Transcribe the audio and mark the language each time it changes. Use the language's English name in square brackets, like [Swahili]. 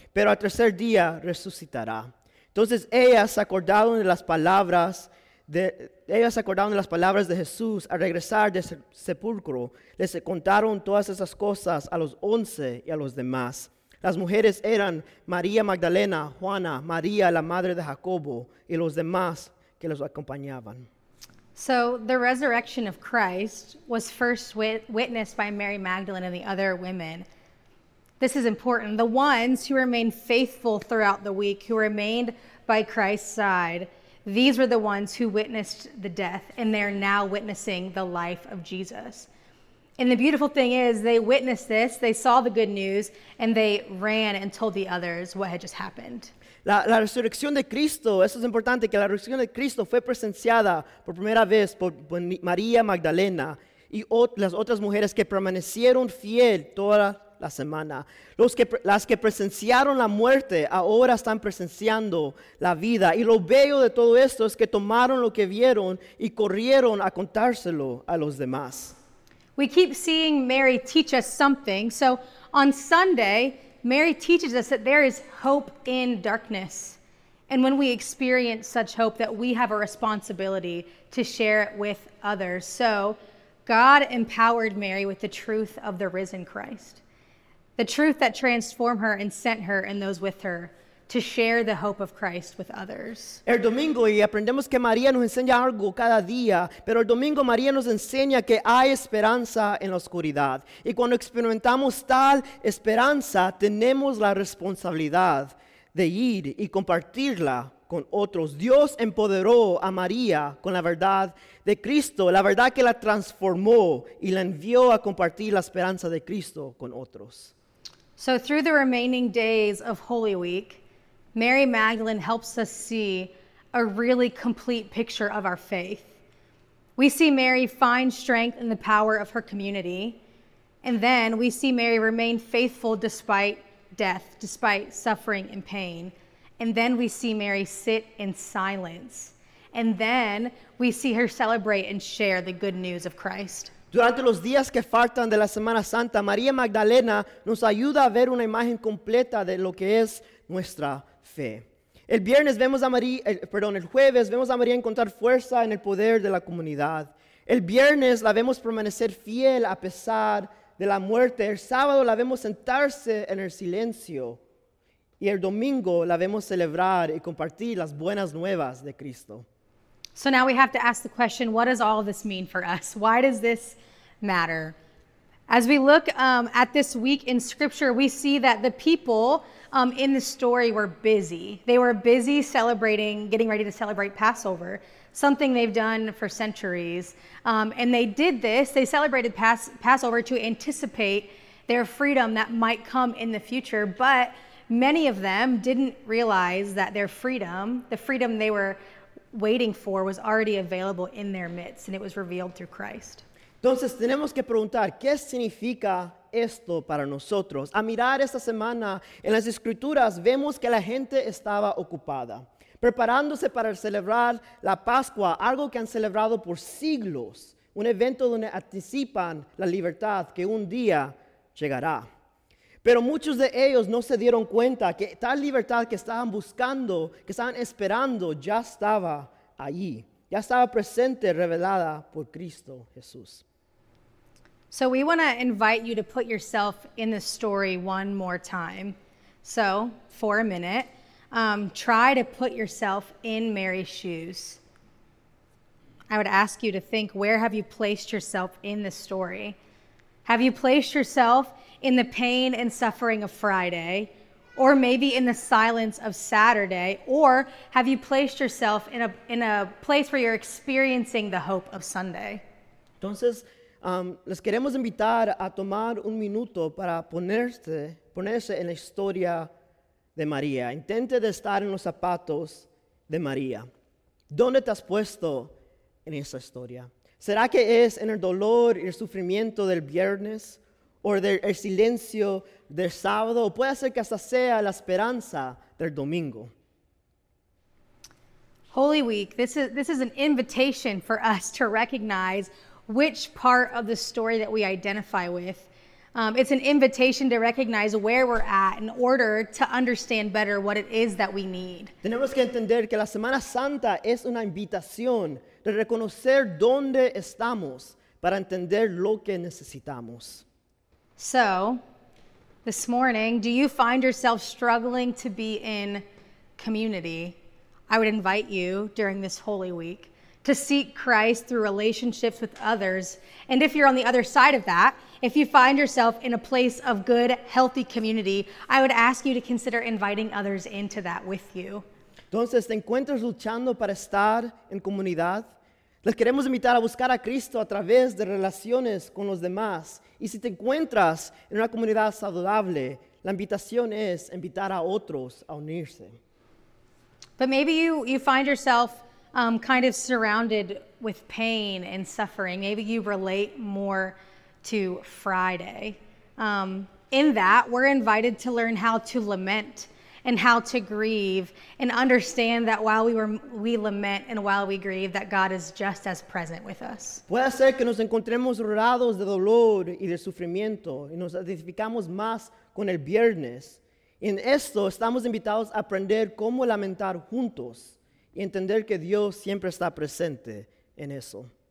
[Spanish] Pero al tercer día resucitará. Entonces ellas acordaron de las palabras de Jesús al regresar del sepulcro. Les contaron todas esas cosas a los 11 y a los demás. Las mujeres eran María Magdalena, Juana, María, la madre de Jacobo, y los demás que los acompañaban. [English] So the resurrection of Christ was first witnessed by Mary Magdalene and the other women. This is important. The ones who remained faithful throughout the week, who remained by Christ's side, these were the ones who witnessed the death, and they're now witnessing the life of Jesus. And the beautiful thing is they witnessed this, they saw the good news, and they ran and told the others what had just happened. [Spanish] La resurrección de Cristo, eso es importante, que la resurrección de Cristo fue presenciada por primera vez por María Magdalena y las otras mujeres que permanecieron fiel toda la semana. Las que presenciaron la muerte ahora están presenciando la vida. Y lo bello de todo esto es que tomaron lo que vieron y corrieron a contárselo a los demás. [English] We keep seeing Mary teach us something. So on Sunday, Mary teaches us that there is hope in darkness. And when we experience such hope, that we have a responsibility to share it with others. So God empowered Mary with the truth of the risen Christ, the truth that transformed her and sent her and those with her to share the hope of Christ with others. [Spanish] El domingo, y aprendemos que María nos enseña algo cada día, pero el domingo María nos enseña que hay esperanza en la oscuridad. Y cuando experimentamos tal esperanza, tenemos la responsabilidad de ir y compartirla con otros. Dios empoderó a María con la verdad de Cristo, la verdad que la transformó y la envió a compartir la esperanza de Cristo con otros. [English] So through the remaining days of Holy Week, Mary Magdalene helps us see a really complete picture of our faith. We see Mary find strength in the power of her community, and then we see Mary remain faithful despite death, despite suffering and pain. And then we see Mary sit in silence, and then we see her celebrate and share the good news of Christ. [Spanish] Durante los días que faltan de la Semana Santa, María Magdalena nos ayuda a ver una imagen completa de lo que es nuestra fe. El jueves vemos a María encontrar fuerza en el poder de la comunidad. El viernes la vemos permanecer fiel a pesar de la muerte. El sábado la vemos sentarse en el silencio. Y el domingo la vemos celebrar y compartir las buenas nuevas de Cristo. [English] So now we have to ask the question, what does all of this mean for us? Why does this matter? As we look at this week in scripture, we see that the people in the story were busy. They were busy celebrating, getting ready to celebrate Passover, something they've done for centuries. And they did this, they celebrated Passover to anticipate their freedom that might come in the future. But many of them didn't realize that their freedom, the freedom they were waiting for, was already available in their midst, and it was revealed through Christ. [Spanish] Entonces tenemos que preguntar, ¿qué significa esto para nosotros? A mirar esta semana en las escrituras, vemos que la gente estaba ocupada, preparándose para celebrar la Pascua, algo que han celebrado por siglos, un evento donde anticipan la libertad que un día llegará. Pero muchos de ellos no se dieron cuenta que tal libertad que estaban buscando, que estaban esperando, ya estaba allí. Ya estaba presente, revelada por Cristo Jesús. [English] So we want to invite you to put yourself in the story one more time. So, for a minute, try to put yourself in Mary's shoes. I would ask you to think, where have you placed yourself in the story? Have you placed yourself in the pain and suffering of Friday? Or maybe in the silence of Saturday? Or have you placed yourself in a place where you're experiencing the hope of Sunday? [Spanish] Entonces, les queremos invitar a tomar un minuto para ponerse en la historia de María. Intente de estar en los zapatos de María. ¿Dónde te has puesto en esa historia? ¿Será que es en el dolor y el sufrimiento del viernes? ¿O del el silencio del sábado? ¿O puede ser que hasta sea la esperanza del domingo? [English] Holy Week, this is an invitation for us to recognize which part of the story that we identify with. It's an invitation to recognize where we're at in order to understand better what it is that we need. [Spanish] Tenemos que entender que la Semana Santa es una invitación de reconocer dónde estamos para entender lo que necesitamos. [English] So, this morning, do you find yourself struggling to be in community? I would invite you during this Holy Week to seek Christ through relationships with others. And if you're on the other side of that, if you find yourself in a place of good, healthy community, I would ask you to consider inviting others into that with you. [Spanish] Entonces, ¿te encuentras luchando para estar en comunidad? Les queremos invitar a buscar a Cristo a través de relaciones con los demás. Y si te encuentras en una comunidad saludable, la invitación es invitar a otros a unirse. [English] But maybe you find yourself kind of surrounded with pain and suffering. Maybe you relate more to Friday. In that, we're invited to learn how to lament and how to grieve and understand that while we lament and while we grieve, that God is just as present with us. [Spanish] Puede ser que nos encontremos rodeados de dolor y de sufrimiento y nos identificamos más con el viernes. En esto, estamos invitados a aprender cómo lamentar juntos y entender que Dios siempre está presente en eso.